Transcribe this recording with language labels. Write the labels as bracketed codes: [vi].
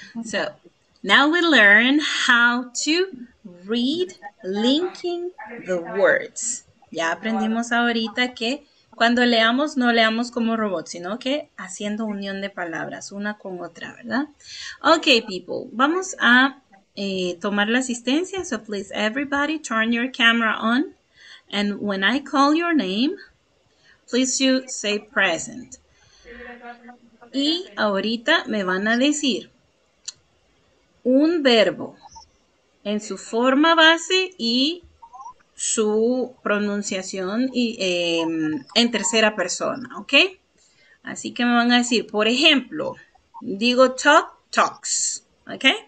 [en] So now we learn how to read linking the words. [es] Ya aprendimos ahorita que cuando leamos, no leamos como robots, sino que haciendo unión de palabras, una con otra, ¿verdad? [en] Okay, people, [es] vamos a tomar la asistencia. [en] So please, everybody, turn your camera on. And when I call your name, please you say present. [es] Y ahorita me van a decir un verbo en su forma base y su pronunciación y, en tercera persona, ¿ok? Así que me van a decir, por ejemplo, digo talk, talks, ¿ok?